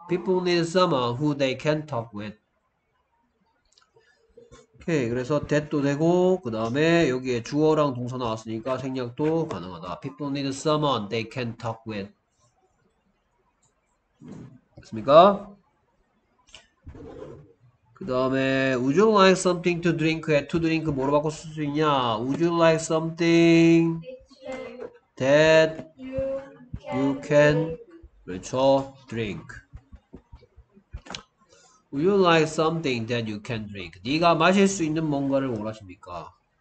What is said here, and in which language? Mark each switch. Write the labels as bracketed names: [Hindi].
[English] People need someone who they can talk with. [Korean] 오케이. 그래서 that도 되고, 그 다음에 여기에 주어랑 동사 나왔으니까 생략도 가능하다. [English] People need someone they can talk with. [Korean] 됐습니까? 그 다음에 [English] Would you like something to drink? To drink [Korean] 뭐로 바꿔 쓸수 있냐? [English] Would you like something that you can, [Korean] 그렇죠, [English] drink? Would you like something that you can drink? [Korean] 네가 마실 수 있는 뭔가를 원하십니까?